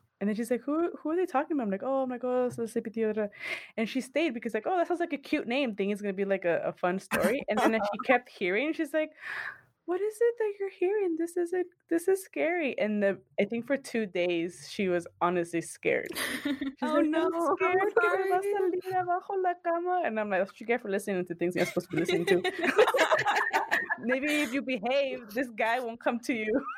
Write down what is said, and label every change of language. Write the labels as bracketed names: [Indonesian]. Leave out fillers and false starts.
[English] And then she's like, who are they talking about? I'm like, oh, my God, it's El Cipitio. And she stayed because, like, oh, that sounds like a cute name. Thing is going to be, like, a fun story. And then she kept hearing. She's like, what is it that you're hearing? This is scary. And I think for 2 days, she was honestly scared. She's oh, like, no. I'm scared. [Spanish] Que me va a salir abajo la cama. [English] And I'm like, that's what you get for listening to things you're supposed to be listening to. Maybe if you behave, this guy won't come to you.